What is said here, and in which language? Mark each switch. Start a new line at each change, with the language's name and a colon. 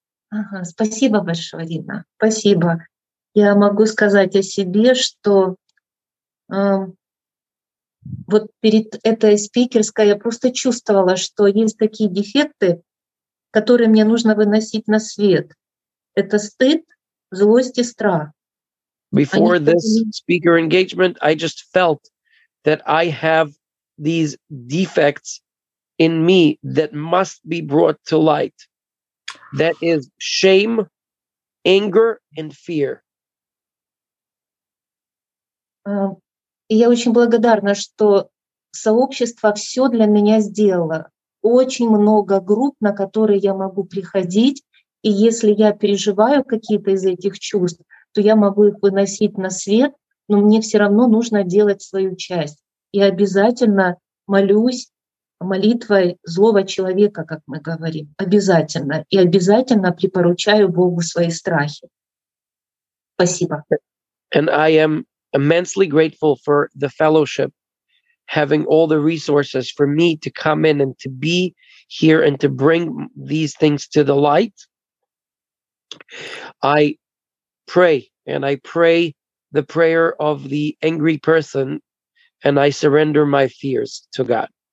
Russian: Ага, спасибо большое, Рина. Спасибо. Я могу сказать о себе, что вот перед этой спикерской я просто чувствовала, что есть такие дефекты, которые мне нужно выносить на свет. Это стыд, злость и страх.
English: Before this speaker engagement, I just felt that I have these defects in me that must be brought to light. That is shame, anger, and fear.
Russian: И я очень благодарна, что сообщество все для меня сделало. Очень много групп, на которые я могу приходить. И если я переживаю какие-то из этих чувств, то я могу их выносить на свет, но мне все равно нужно делать свою часть. И обязательно молюсь молитвой злого человека, как мы говорим. Обязательно. И обязательно припоручаю Богу свои страхи. Спасибо.
English: And I am immensely grateful for the fellowship, having all the resources for me to come in and to be here and to bring these things to the light. I pray the prayer of the angry person, and I surrender my fears to God.